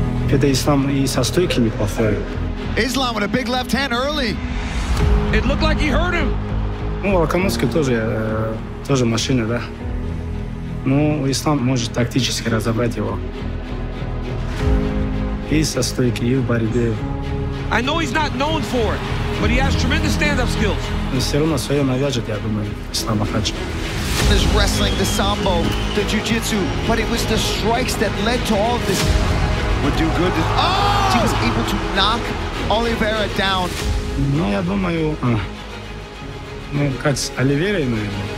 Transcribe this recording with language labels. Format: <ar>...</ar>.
<ru>Это Ислам и со стойки неплохой.</ru> <en>Islam with a big left hand early. It looked like he hurt him.</en> <ru>Ну, Волкановский тоже машина, да. Ну, Ислам может тактически разобрать его. И со стойки, и в борьбе.</ru> <en>I know he's not known for it, but he has tremendous stand-up skills. There's wrestling, the sambo, the jiu-jitsu, but it was the strikes that led to all of this. Would do good. He was able to knock Oliveira down.</en> <ru>Ну, я думаю, ну, как с Оливерой, наверное.</ru>